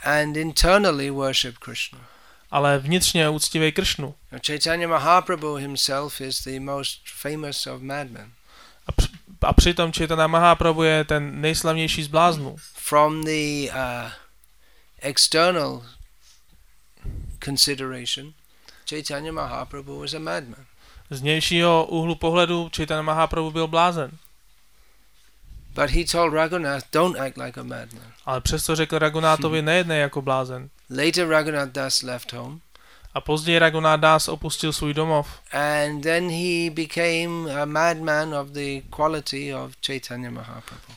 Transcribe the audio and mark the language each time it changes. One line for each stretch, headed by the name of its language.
English: And internally worship Krishna.
Czech: Ale vnitřně uctívej Krishnu.
English: Chaitanya Mahaprabhu himself is the most famous of madmen.
Czech: A přitom Chaitanya Mahaprabhu je ten nejslavnější z bláznů.
English: From the external consideration, Chaitanya Mahaprabhu was a madman.
Czech: Z vnějšího úhlu pohledu Chaitanya Mahaprabhu byl blázen.
English: But he told Raghunath, don't act like a madman.
Czech: Ale přesto řekl Raghunathovi, nejednej jako blázen.
English: Later Raghunath Das left home.
Czech: A později Raghunath Das opustil svůj domov.
English: And then he became a madman of the quality of Chaitanya Mahaprabhu.